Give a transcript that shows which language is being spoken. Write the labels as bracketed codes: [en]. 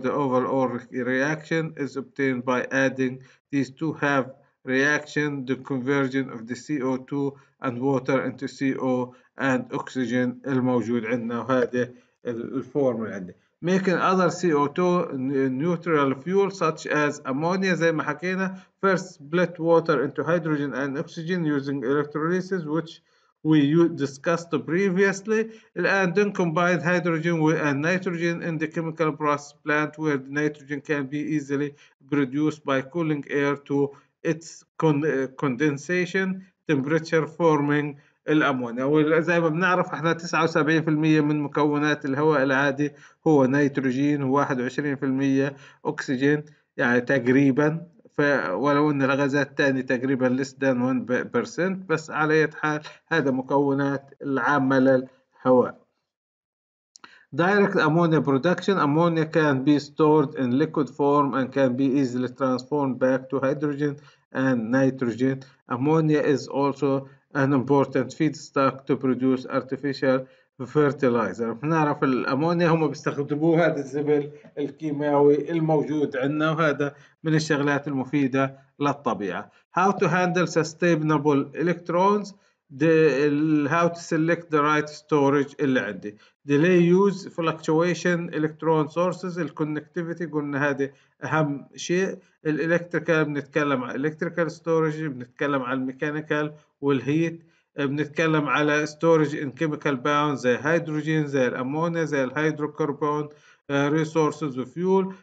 [en] the overall reaction is obtain by adding this two half reaction the conversion of the CO2 and water into CO and oxygen [ar] الموجود عندنا، وهذا الفورمولا عندي. [en] making other CO2 neutral fuel such as ammonia [ar] زي ما حكينا. [en] first split water into hydrogen and oxygen using electrolysis which we discussed previously. الآن then combine hydrogen and nitrogen in the chemical process plant where the nitrogen can be easily produced by cooling air to its condensation temperature forming الأمونيا. [ar] وزي ما بنعرف احنا 79% من مكونات الهواء العادي هو نيتروجين، و21% أكسجين يعني تقريبا، ولو ان الغازات الثانية تقريبا [en] less than 1%، [ar] بس على اي حال هذا مكونات العامة للهواء. [en] Direct ammonia production. Ammonia can be stored in liquid form and can be easily transformed back to hydrogen and nitrogen. Ammonia is also an important feedstock to produce artificial fertilizer. [ar] بنعرف الأمونيا هم بيستخدموه هذا الزبل الكيماوي الموجود عندنا، وهذا من الشغلات المفيدة للطبيعة. [en] How to handle sustainable electrons. How to select the right storage [ar] اللي عندي. [en] Delay use fluctuation electron sources. [ar] الconnectivity قلنا هذه أهم شيء. الإلكتريكال بنتكلم على [en] electrical storage، [ar] بنتكلم على الميكانيكال والهيت، بنتكلم على [en] storage in chemical bound [ar] زي hydrogen زي الأمونيا زي الهيدروكربون [en] resources of fuel.